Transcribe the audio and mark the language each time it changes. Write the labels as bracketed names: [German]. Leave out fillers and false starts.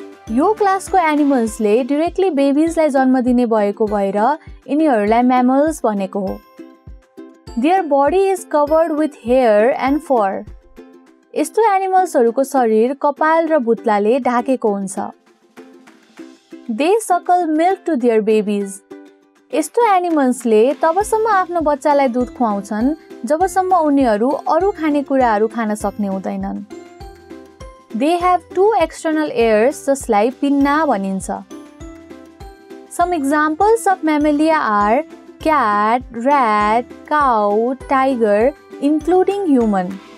[Nepali] यो क्लासको एनिमल्सले डिरेक्टली बेबिजलाई जन्म दिने भएको भएर यिनीहरूलाई mammals भनेको हो. [English] Their body is covered with hair and fur. [Nepali] यस्तो एनिमल्सहरूको शरीर कपाल र भुत्लाले ढाकेको हुन्छ. [English] They suckle milk to their babies. [Nepali] यस्तो एनिमल्सले तबसम्म आफ्नो बच्चालाई दुध खुवाउँछन् जबसम्म उनीहरू अरू खानेकुराहरू खान सक्ने हुँदैनन्. [English] they have to external ears [Nepali] जसलाई पिन्ना भनिन्छ. [English] Some examples of mammalia are cat, rat, cow, tiger, including human.